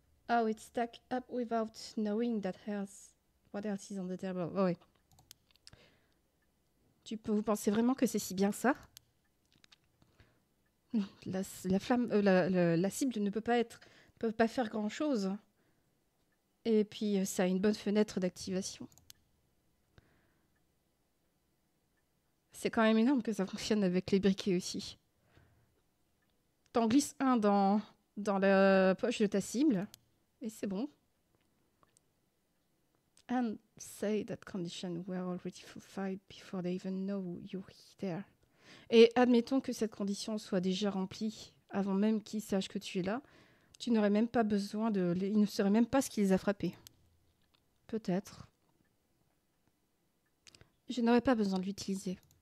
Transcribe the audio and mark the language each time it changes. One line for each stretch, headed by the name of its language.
English: Oh, it's stacked up without knowing that hers. What else is on the table? Oh, ouais.
French: Vous pensez vraiment que c'est si bien ça? La cible ne peut pas être, ne peut pas faire grand chose. Et puis ça a une bonne fenêtre d'activation. C'est quand même énorme que ça fonctionne avec les briquets aussi. T'en glisses un dans la poche de ta cible et c'est bon.
English: And say that condition were already fulfilled before they even know you're there.
French: Et admettons que cette condition soit déjà remplie avant même qu'ils sachent que tu es là. Tu n'aurais même pas besoin de... ils ne sauraient même pas ce qui les a frappés. Peut-être. Je n'aurais pas besoin de l'utiliser.